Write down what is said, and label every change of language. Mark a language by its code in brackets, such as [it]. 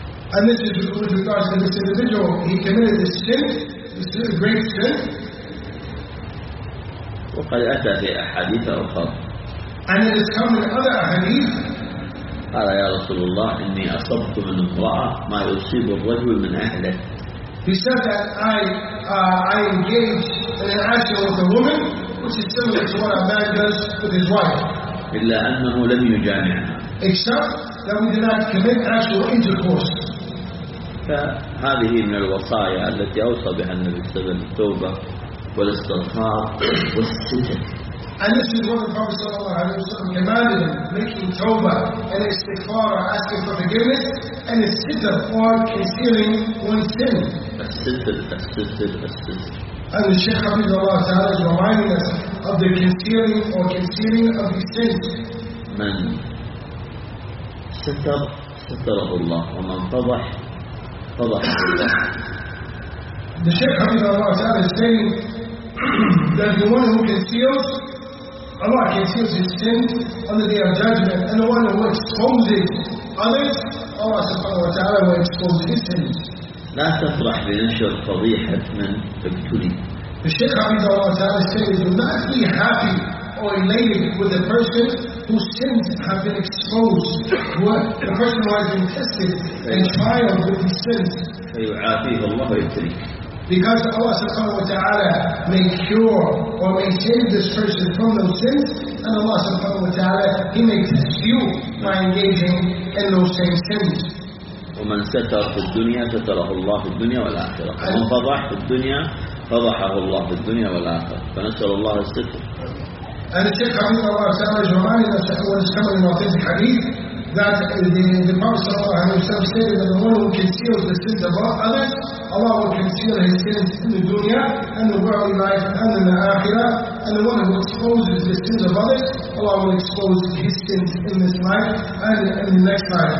[en] And this is with regards to this individual. He committed this sin, this great sin. [ar] وقد أتى في أحاديث أخرى. [en] And it has come in other hadith. [ar] قال يا رسول الله إني أصبت من امرأة ما يصيب الرجل من أهله. [en] He said that I engaged in an action with a woman, which is similar to what a man does with his wife. [ar] إلا أنه لم يجامعها. [en] Except that we did not commit actual intercourse. [ar] فهذه من الوصايا التي أوصى بها النبي صلى الله عليه وسلم التوبة والاستغفار والستر. [en] And this is what the Prophet sallallahu alaihi wasallam commanded him, making tawbah and istighfar, asking for forgiveness, and istighfar for concealing one's sin. And the Shaykh Hafizahullah Ta'ala is reminding us of the concealing or concealing of his sin. [ar] من ستر ستره الله ومن فضح فضح الله. [en] The Shaykh Hafizahullah Ta'ala is saying that the one who conceals, Allah conceals his sin on the day of judgment, and the one who exposes others, Allah subhanahu wa ta'ala will expose his sins. [ar] لا تفرح بنشر فضيحة من ابتلي. [en] The Shaykh Hafizahullah Allah Ta'ala says, do not be happy or elated with a person whose sins have been exposed, the person who has been tested and trialed with his sins. [ar] فيعافيه الله ويبتليه. [en] Because Allah subhanahu wa ta'ala may cure or may save this person from those sins, and Allah subhanahu wa ta'ala, he may test you by engaging in those same sins. [ar] ومن ستر في الدنيا ستره الله في الدنيا والآخرة. ومن فضح في الدنيا فضحه الله في الدنيا والآخرة. فنسأل الله الستر. [en] And the Shaykh Hafizahullah Ta'ala is reminding us that what is coming in authentic hadith that the Prophet sallallahu alayhi wa sallam stated that the one who conceals the sins of others, Allah will conceal his sins in the dunya and the worldly life and in the akhirah, and the one who exposes the sins of others, Allah will expose his sins in this life and in the next life.